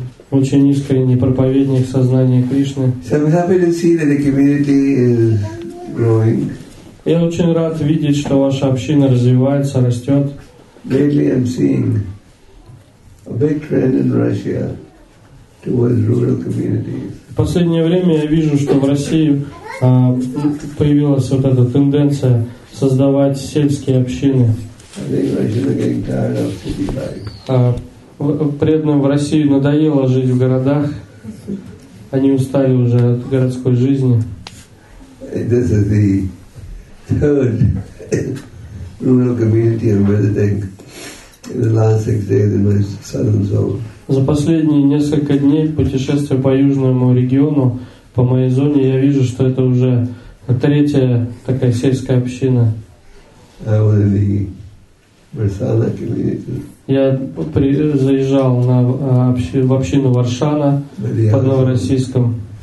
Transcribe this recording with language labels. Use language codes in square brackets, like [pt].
[ru] Очень искренний проповедник сознания Кришны. [en] So I'm happy to see that the community is growing. [ru] Я очень рад видеть, что ваша община развивается, растет. [en] Lately I'm seeing a big trend in Russia towards rural communities. [ru] В последнее время я вижу, что в России появилась вот эта тенденция создавать сельские общины. [en] I think Russians are getting tired of city life. [ru] Преданным в России надоело жить в городах. Они устали уже от городской жизни. [en] This is the third rural community I'm visiting in the last 6 days in my southern zone. [ru] За последние несколько дней путешествия по южному региону, по моей зоне, я вижу, что это уже третья такая сельская община. Я заезжал в общину Варшана под Новороссийском.